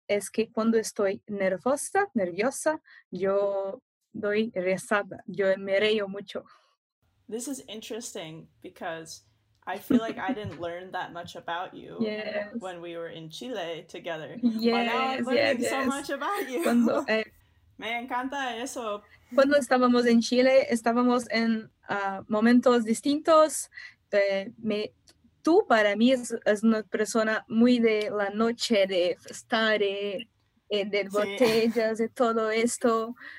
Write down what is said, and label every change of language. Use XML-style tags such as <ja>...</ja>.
<es>Es que cuando estoy nerviosa, yo doy rezada. Yo me reo mucho.</es> <en>This is interesting because I feel like I didn't learn that much about you when we were in Chile together. Yes, but now I'm learning so much about you.</en> <es>Cuando, me encanta eso. Cuando estábamos en Chile, estábamos en momentos distintos. Tú para mí es una persona muy de la noche, de estar de botellas, de todo esto.</es>